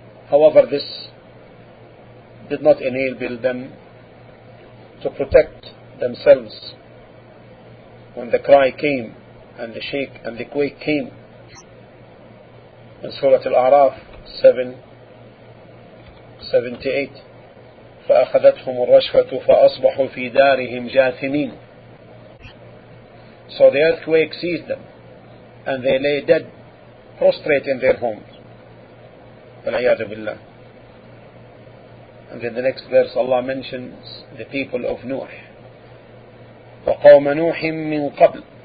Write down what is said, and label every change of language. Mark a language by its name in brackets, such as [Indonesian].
[English] However, this did not enable them to protect themselves when the cry came and the shake and the quake came. In Surah Al-A'raf 7:78, [Arabic] فَأَخَذَتْهُمُ الرَّشْفَةُ فَأَصْبَحُوا فِي دَارِهِمْ جَاثِمِينَ. [English] So the earthquake seized them and they lay dead prostrate in their homes. [Arabic] وَالْعِيَاذُ بِاللَّهِ. [English] And in the next verse, Allah mentions the people of Nuh. [Arabic] وَقَوْمَ نُوحٍ مِّن قَبْلٍ.